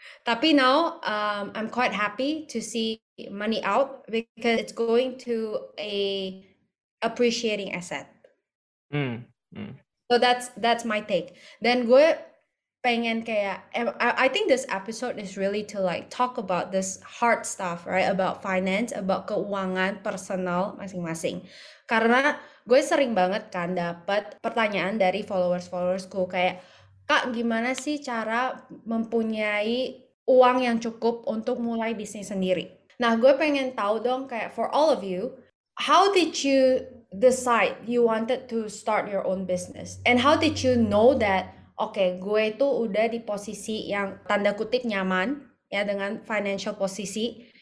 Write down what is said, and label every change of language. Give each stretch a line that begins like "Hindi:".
English: Tapi now I'm quite happy to see money out because it's going to a appreciating asset. So that's my take.
Indonesian: Dan gue pengen kayak,
English: I think this episode is really to like talk about this hard stuff, right? About finance, about
Indonesian: keuangan personal masing-masing. Karena gue sering banget kan dapat pertanyaan dari followers-followersku kayak, Kak, gimana sih cara mempunyai uang yang cukup untuk mulai bisnis sendiri? Nah, gue pengen tahu dong kayak
English: for all of you, how did you decide you wanted to start your own business? And how did you know that, okay,
Indonesian: gue itu udah di posisi yang tanda kutip nyaman ya dengan financial posisi.